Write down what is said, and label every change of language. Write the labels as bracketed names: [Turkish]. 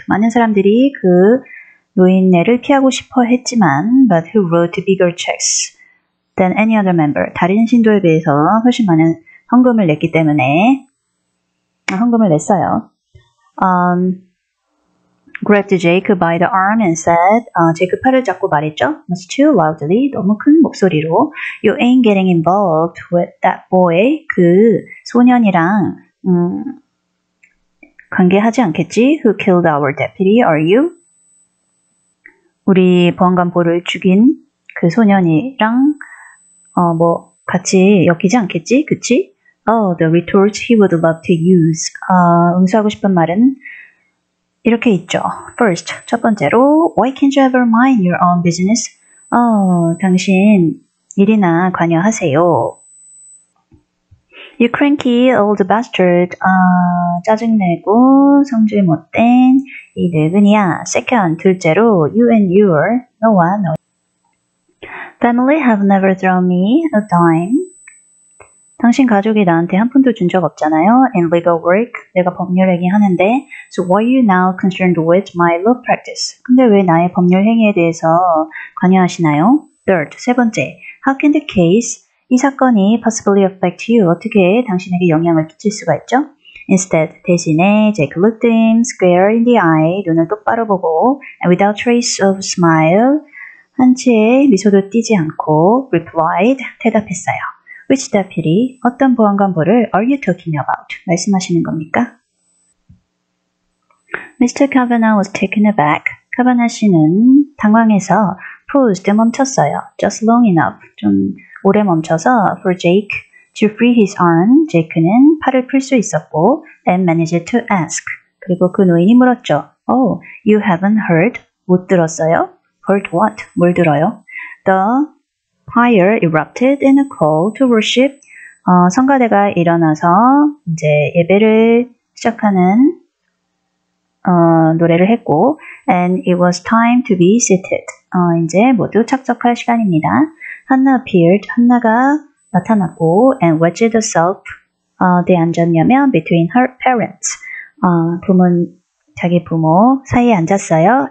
[Korean] 많은 사람들이 그 노인네를 피하고 싶어 했지만 [English] but who wrote bigger checks than any other member. [Korean] 다른 신도에 비해서 훨씬 많은 헌금을 냈기 때문에 헌금을 냈어요. [English] Grabbed Jake by the arm and said, [Korean] Jake 팔을 잡고 말했죠. [English] Much too loudly, [Korean] 너무 큰 목소리로. [English] You ain't getting involved with that boy. [Korean] 그 소년이랑 관계하지 않겠지? [English] Who killed our deputy, are you? [Korean] 우리 보안관보를 죽인 그 소년이랑 같이 엮이지 않겠지? 그치? [English] Oh, the retort he would love to use. [Korean] 응수하고 싶은 말은 이렇게 있죠. [English] First, [Korean] 첫 번째로 [English] Why can't you ever mind your own business? [Korean] 당신 일이나 관여하세요. [English] You cranky old bastard. [Korean] 짜증내고 성질 못된 이 늙은이야. [English] Second, [Korean] 둘째로 [English] You and your, [Korean] 너와 너. [English] Family have never thrown me a dime. [Korean] 당신 가족이 나한테 한 푼도 준 적 없잖아요. [English] In legal work, [Korean] 내가 법률 행위 하는데. [English] So why are you now concerned with my law practice? [Korean] 근데 왜 나의 법률 행위에 대해서 관여하시나요? [English] Third, [Korean] 세 번째. [English] How can the case, [Korean] 이 사건이 [English] possibly affect you? [Korean] 어떻게 당신에게 영향을 끼칠 수가 있죠? [English] Instead, [Korean] 대신에 [English] Jake looked him square in the eye, [Korean] 눈을 똑바로 보고, [English] and without trace of smile, [Korean] 한 치의 미소도 띄지 않고, [English] replied, [Korean] 대답했어요. [English] Which deputy, [Korean] 어떤 보안관보를 [English] are you talking about? [Korean] 말씀하시는 겁니까? [English] Mr. Kavanaugh was taken aback. [Korean] Kavanaugh 씨는 당황해서 [English] paused, [Korean] 멈췄어요. [English] Just long enough, [Korean] 좀 오래 멈춰서 [English] for Jake to free his arm. [Korean] Jake는 팔을 풀 수 있었고 [English] and managed to ask. [Korean] 그리고 그 노인이 물었죠. [English] Oh, you haven't heard? [Korean] 못 들었어요? [English] Heard what? [Korean] 뭘 들어요? [English] The Fire erupted in a call to worship. [Korean] 성가대가 일어나서 이제 예배를 시작하는 노래를 했고 [English] and it was time to be seated. [Korean] 이제 모두 착석할 시간입니다. [English] Hannah appeared. [Korean] Hannah가 나타났고, [English] and wedged herself, [Korean] 어디에 앉았냐면, [English] between her parents. [Korean] 자기 부모 사이에 앉았어요.